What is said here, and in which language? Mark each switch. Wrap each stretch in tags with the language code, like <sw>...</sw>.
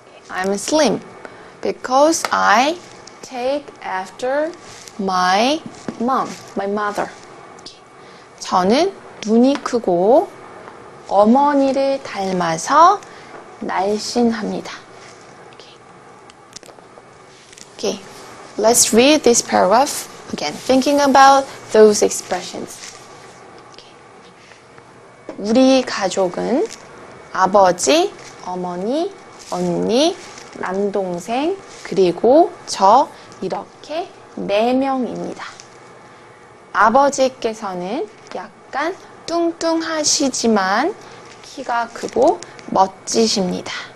<en>I'm slim because I take after my mom, my mother.</en> <ko>저는 눈이 크고 어머니를 닮아서 날씬합니다.</ko> <en>Okay, let's read this paragraph again, thinking about those expressions. Okay.</en> <ko>우리 가족은 아버지, 어머니, 언니, 남동생, 그리고 저 이렇게 네 명입니다. 아버지께서는 약간 뚱뚱하시지만 키가 크고 멋지십니다.</ko>